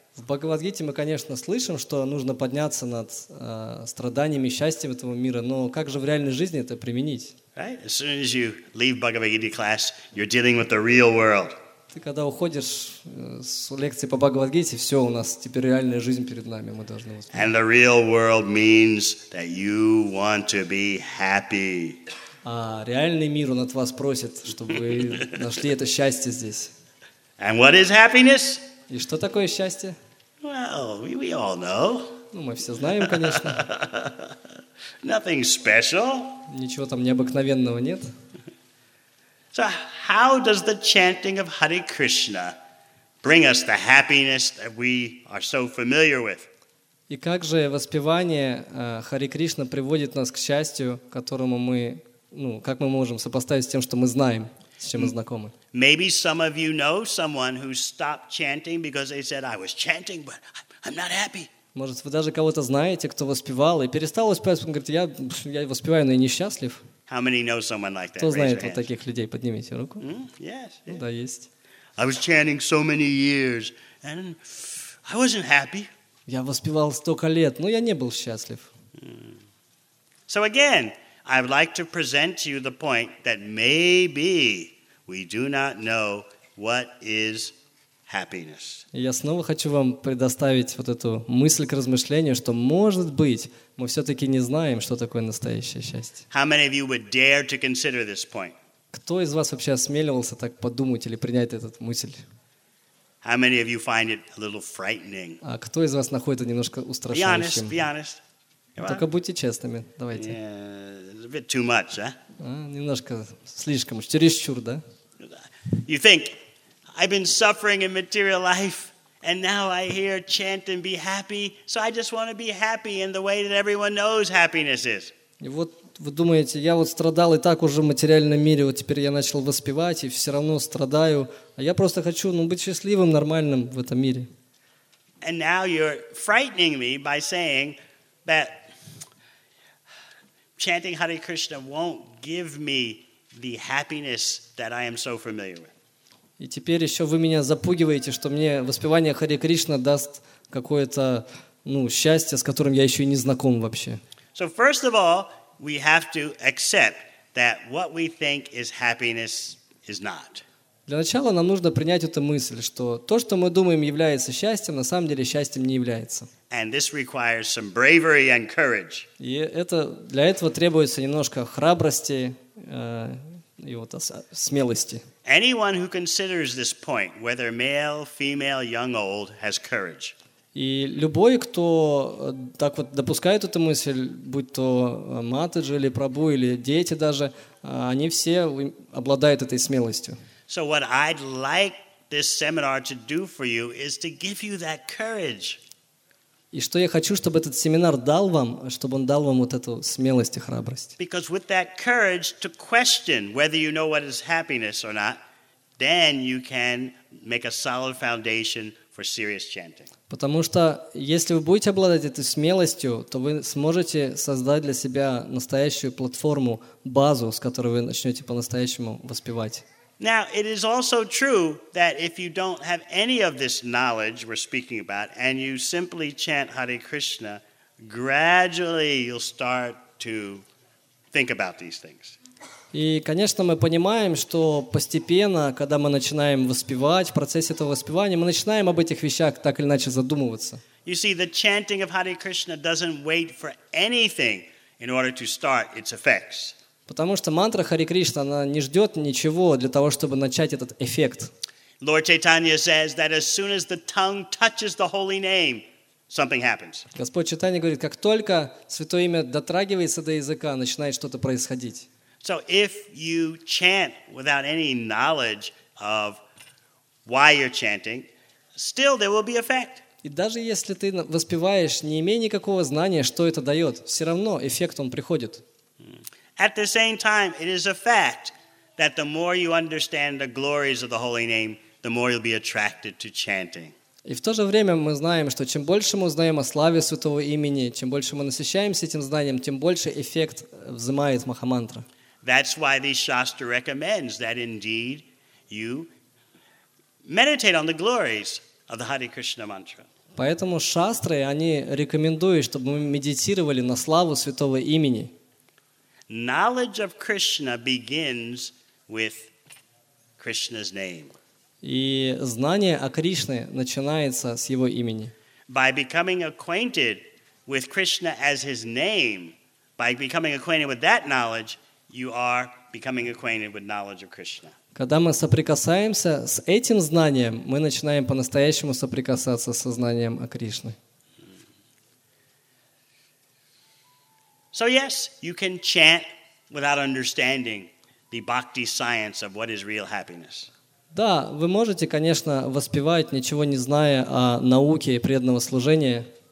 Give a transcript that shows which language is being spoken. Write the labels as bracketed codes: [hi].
[ru] В Бхагавад Гите мы, конечно, слышим, что нужно подняться над страданиями, счастьем этого мира, но как же в реальной жизни это применить? [en] Right? As soon as you leave Bhagavad Gita class, you're dealing with the real world. [ru] Ты когда уходишь с лекции по Бхагавад Гите, все, у нас теперь реальная жизнь перед нами, мы должны. [en] And the real world means that you want to be happy. [ru] А реальный мир, он от вас просит, чтобы вы нашли это счастье здесь. [en] And what is happiness? [ru] И что такое счастье? [en] Well, we all know. [ru] Ну, мы все знаем, конечно. [en] Nothing special. [ru] Ничего там необыкновенного нет. [en] So how does the chanting of Hare Krishna bring us the happiness that we are so familiar with? [ru] И как же воспевание Хари Кришна приводит нас к счастью, которому мы, ну, как мы можем сопоставить с тем, что мы знаем, с чем мы знакомы? [en] Maybe some of you know someone who stopped chanting because they said, "I was chanting, but I'm not happy." [ru] Может, вы даже кого-то знаете, кто воспевал и перестал воспевать, он говорит, я воспеваю, но я несчастлив. [en] How many know someone like that? [ru] Кто знает вот таких людей? Поднимите руку. [en] Mm-hmm. Yes. [ru] Ну, да, есть. [en] I was chanting so many years, and I wasn't happy. [ru] Я воспевал столько лет, но я не был счастлив. [en] So again, I would like to present to you the point that maybe we do not know what is happiness. [ru] Я снова хочу вам предоставить вот эту мысль к размышлению, что может быть, мы все-таки не знаем, что такое настоящее счастье. [en] How many of you would dare to consider this point? [ru] Кто из вас вообще осмеливался так подумать или принять эту мысль? [en] How many of you find it a little frightening? [ru] А кто из вас находит это немножко устрашающим? [en] Be honest, be honest. [ru] Только будьте честными, давайте. [en] Yeah, a bit too much, huh? [ru] Немножко слишком, чересчур, да? [en] You think, I've been suffering in material life, and now I hear chant and be happy, so I just want to be happy in the way that everyone knows happiness is. [ru] И вот вы думаете, я вот страдал и так уже в материальном мире, вот теперь я начал воспевать, и все равно страдаю, а я просто хочу, ну, быть счастливым, нормальным в этом мире. [en] And now you're frightening me by saying that chanting Hare Krishna won't give me the happiness that I am so familiar with. [ru] И теперь еще вы меня запугиваете, что мне воспевание Харе Кришна даст какое-то, ну, счастье, с которым я еще и не знаком вообще. [en] So first of all, we have to accept that what we think is happiness is not. [ru] Для начала нам нужно принять эту мысль, что то, что мы думаем является счастьем, на самом деле счастьем не является. [en] And this requires some bravery and courage. [ru] И это, для этого требуется немножко храбрости, и вот смелости. [en] Anyone who considers this point, whether male, female, young, old, has courage. [ru] И любой, кто так вот допускает эту мысль, будь то матаджи или прабу или дети даже, они все обладают этой смелостью. [en] So what I'd like this seminar to do for you is to give you that courage. [ru] И что я хочу, чтобы этот семинар дал вам, чтобы он дал вам вот эту смелость и храбрость. [en] Because with that courage to question whether you know what is happiness or not, then you can make a solid foundation for serious chanting. [ru] Потому что если вы будете обладать этой смелостью, то вы сможете создать для себя настоящую платформу, базу, с которой вы начнете по-настоящему воспевать. [en] Now, it is also true that if you don't have any of this knowledge we're speaking about, and you simply chant Hare Krishna, gradually you'll start to think about these things. [ru] И, конечно, мы понимаем, что постепенно, когда мы начинаем воспевать, в процессе этого воспевания, мы начинаем об этих вещах так или иначе задумываться. [en] You see, the chanting of Hare Krishna doesn't wait for anything in order to start its effects. [ru] Потому что мантра Хари Кришна, она не ждет ничего для того, чтобы начать этот эффект. [en] Lord Chaitanya says that as soon as the tongue touches the holy name, something happens. [ru] Господь Чайтанья говорит, как только святое имя дотрагивается до языка, начинает что-то происходить. [en] So if you chant without any knowledge of why you're chanting, still there will be effect. [ru] И даже если ты воспеваешь, не имея никакого знания, что это дает, все равно эффект он приходит. [en] At the same time, it is a fact that the more you understand the glories of the holy name, the more you'll be attracted to chanting. [ru] И в то же время мы знаем, что чем больше мы узнаем о славе святого имени, чем больше мы насыщаемся этим знанием, тем больше эффект взимает махамантра. [en] That's why the Shastra recommends that indeed you meditate on the glories of the Hare Krishna mantra. [ru] Поэтому шастры, они рекомендуют, чтобы мы медитировали на славу святого имени. [en] Knowledge of Krishna begins with Krishna's name. [ru] И знание о Кришне начинается с его имени. [en] By becoming acquainted with Krishna as his name, by becoming acquainted with that knowledge, you are becoming acquainted with knowledge of Krishna. [ru] Когда мы соприкасаемся с этим знанием, мы начинаем по-настоящему соприкасаться со знанием о Кришне. [en] So yes, you can chant without understanding the bhakti science of what is real happiness. [ru] Да, вы можете, конечно, воспевать, ничего не зная о науке преданного служения.